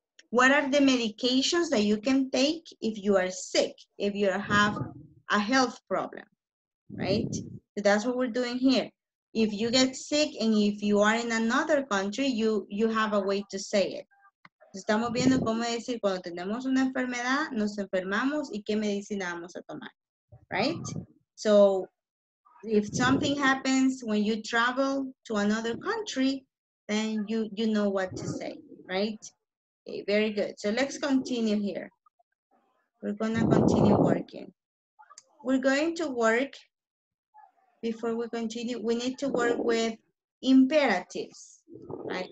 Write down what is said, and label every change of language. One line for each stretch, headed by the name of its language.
English: What are the medications that you can take if you are sick, if you have a health problem, right? So that's what we're doing here. If you get sick and if you are in another country, you have a way to say it.
Spanish: Estamos viendo cómo decir cuando tenemos una enfermedad, nos enfermamos y qué medicina vamos a tomar, right?
English: So if something happens when you travel to another country, then you know what to say, right? Okay, very good. So let's continue here. We're going to continue working. We're going to work, before we continue, we need to work with imperatives, right?